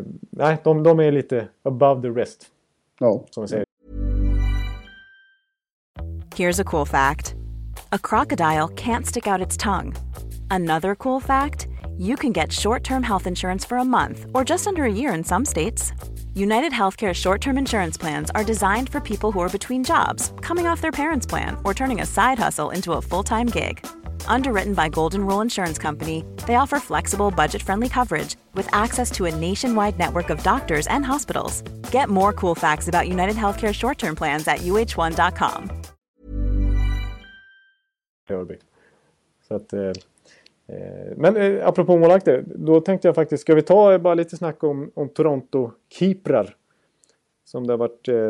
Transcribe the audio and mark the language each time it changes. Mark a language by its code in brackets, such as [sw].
[sv] Nej, de är lite [en] above the rest. [sv] Ja, som vi säger. [en] Here's a cool fact. A crocodile can't stick out its tongue. Another cool fact, you can get short-term health insurance for a month or just under a year in some states. United Healthcare short-term insurance plans are designed for people who are between jobs, coming off their parents' plan, or turning a side hustle into a full-time gig. Underwritten by Golden Rule Insurance Company, they offer flexible, budget-friendly coverage with access to a nationwide network of doctors and hospitals. Get more cool facts about United Healthcare short-term plans at uh1.com. [sv] Så att, men apropå målakter, då tänkte jag faktiskt, ska vi ta bara lite snack om Toronto keeprar som det har varit